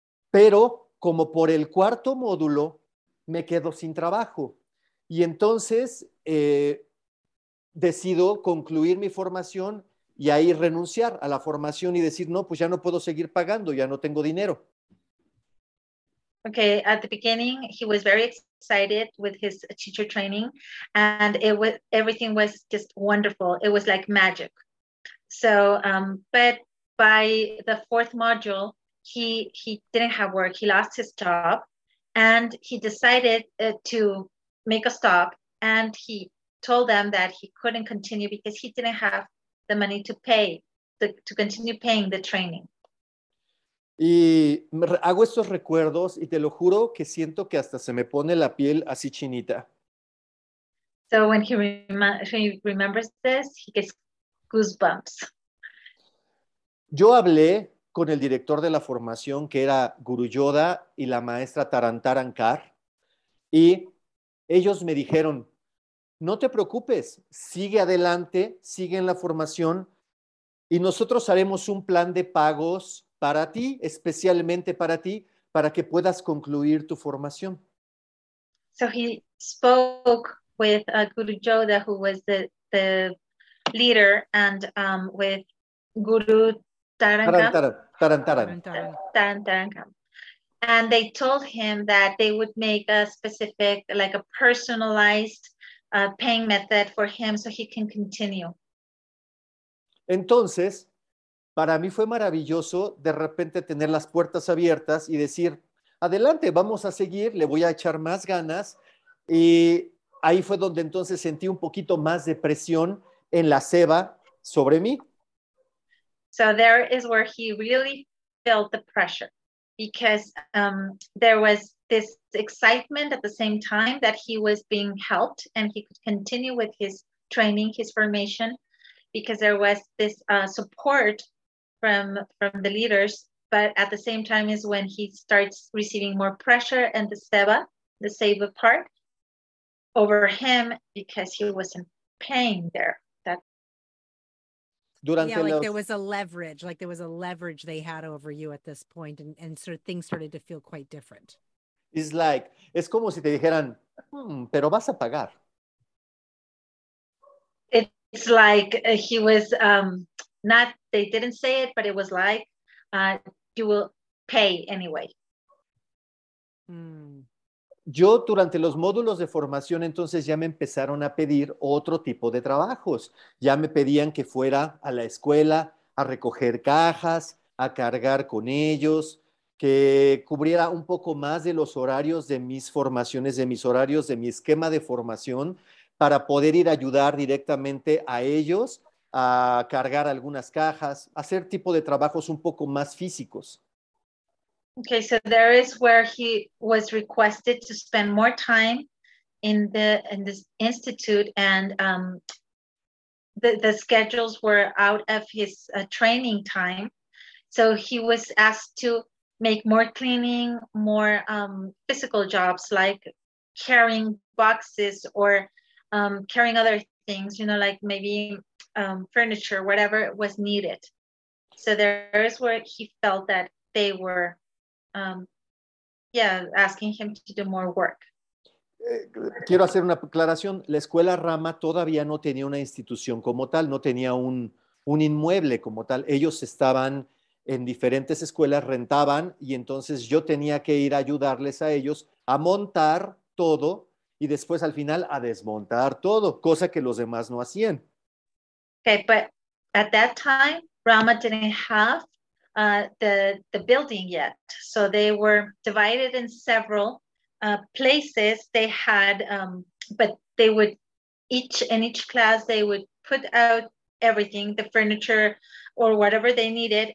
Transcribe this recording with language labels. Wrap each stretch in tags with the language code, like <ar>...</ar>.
<es>Pero como por el cuarto módulo, me quedo sin trabajo. Y entonces decido concluir mi formación y ahí renunciar a la formación y decir, no, pues ya no puedo seguir pagando, ya no tengo dinero.</es> <en>Okay, at the beginning, he was very excited with his teacher training, and everything was just wonderful. It was like magic. So, but by the fourth module, he didn't have work. He lost his job, and he decided to make a stop, and he told them that he couldn't continue because he didn't have the money to pay, to continue paying the training.</en> <es>Y hago estos recuerdos y te lo juro que siento que hasta se me pone la piel así chinita.</es> <en>So when he remembers this, he gets goosebumps.</en> <es>Yo hablé con el director de la formación, que era Guru Yoda y la maestra Tarantarankar, y ellos me dijeron, no te preocupes, sigue adelante, sigue en la formación y nosotros haremos un plan de pagos para ti, especialmente para ti, para que puedas concluir tu formación.</es> <en>So he spoke with Guru Yoda, who was the leader, and with Guru Tarantarankar. And they told him that they would make a specific, like a personalized paying method for him so he can continue.</en> <es>Entonces, para mí fue maravilloso de repente tener las puertas abiertas y decir, adelante, vamos a seguir, le voy a echar más ganas. Y ahí fue donde entonces sentí un poquito más de presión en la ceba sobre mí.</es> <en>So there is where he really felt the pressure, because there was this excitement at the same time that he was being helped and he could continue with his training, his formation, because there was this support from the leaders, but at the same time is when he starts receiving more pressure and the seba the Seva part over him because he wasn't paying there. There was a leverage, like there was a leverage they had over you at this point, and sort of things started to feel quite different. It's like,</en> <es>es como si te dijeran, pero vas a pagar.</es> <en>It's like he was not, they didn't say it, but it was like, you will pay anyway.</en> <es>Yo durante los módulos de formación, entonces ya me empezaron a pedir otro tipo de trabajos. Ya me pedían que fuera a la escuela a recoger cajas, a cargar con ellos, que cubriera un poco más de los horarios de mis formaciones, de mis horarios, de mi esquema de formación, para poder ir a ayudar directamente a ellos a cargar algunas cajas, hacer tipo de trabajos un poco más físicos.</es> <en>Okay, so there is where he was requested to spend more time in this institute, and the schedules were out of his training time. So he was asked to make more cleaning, more physical jobs like carrying boxes or carrying other things, you know, like maybe furniture, whatever was needed. So there is where he felt that they were asking him to do more work.</en> <es>Quiero hacer una aclaración. La escuela Rama todavía no tenía una institución como tal, no tenía un inmueble como tal. Ellos estaban en diferentes escuelas, rentaban, y entonces yo tenía que ir a ayudarles a ellos a montar todo y después al final a desmontar todo, cosa que los demás no hacían.</es> <en>Okay, but at that time, Rama didn't have the building yet. So they were divided in several places. They had, but they would, in each class, they would put out everything, the furniture or whatever they needed.</en>